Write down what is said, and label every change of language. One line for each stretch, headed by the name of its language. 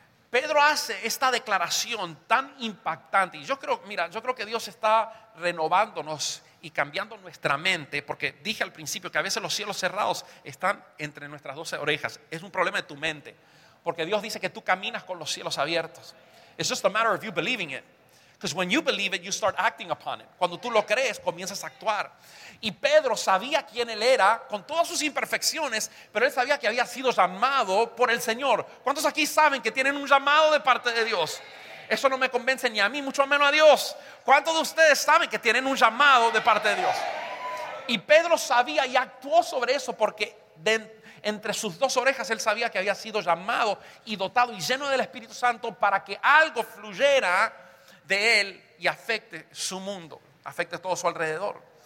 Spanish: Pedro hace esta declaración tan impactante. Y yo creo que Dios está renovándonos y cambiando nuestra mente, porque dije al principio que a veces los cielos cerrados están entre nuestras 12 orejas. Es un problema de tu mente, porque Dios dice que tú caminas con los cielos abiertos.
English: It's just a matter of you believing it, because when you believe it, you start acting upon it.
Spanish: Cuando tú lo crees, comienzas a actuar. Y Pedro sabía quién él era, con todas sus imperfecciones, pero él sabía que había sido llamado por el Señor. ¿Cuántos aquí saben que tienen un llamado de parte de Dios? Eso no me convence ni a mí, mucho menos a Dios. ¿Cuántos de ustedes saben que tienen un llamado de parte de Dios? Y Pedro sabía y actuó sobre eso, porque entre sus dos orejas él sabía que había sido llamado y dotado y lleno del Espíritu Santo para que algo fluyera de él y afecte su mundo, afecte todo su alrededor.